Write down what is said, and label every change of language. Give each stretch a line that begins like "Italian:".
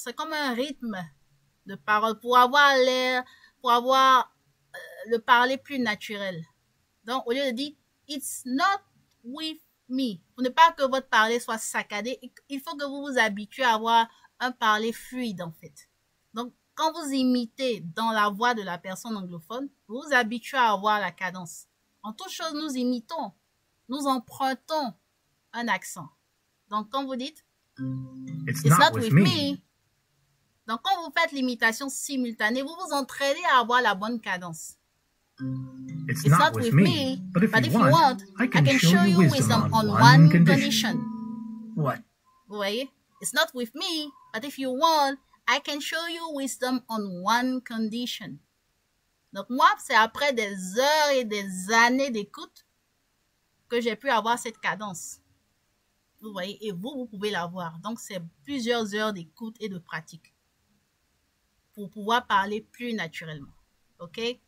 French: C'est comme un rythme de parole pour avoir l'air, pour avoir le parler plus naturel. Donc, au lieu de dire,
English: it's not with me.
French: Pour ne pas que votre parler soit saccadé, il faut que vous vous habituez à avoir un parler fluide, en fait. Donc, quand vous imitez dans la voix de la personne anglophone, vous vous habituez à avoir la cadence. En toute chose, nous imitons, nous empruntons un accent. Donc, quand vous dites,
English: it's not with me.
French: Donc, quand vous faites l'imitation simultanée, vous vous entraînez à avoir la bonne cadence.
English: It's not with me. But if you want, I can show you wisdom on one condition. What?
French: Vous voyez?
English: It's not with me, but if you want, I can show you wisdom on one condition.
French: Donc, moi, c'est après des heures et des années d'écoute que j'ai pu avoir cette cadence. Vous voyez, et vous pouvez l'avoir. Donc, c'est plusieurs heures d'écoute et de pratique pour pouvoir parler plus naturellement. OK?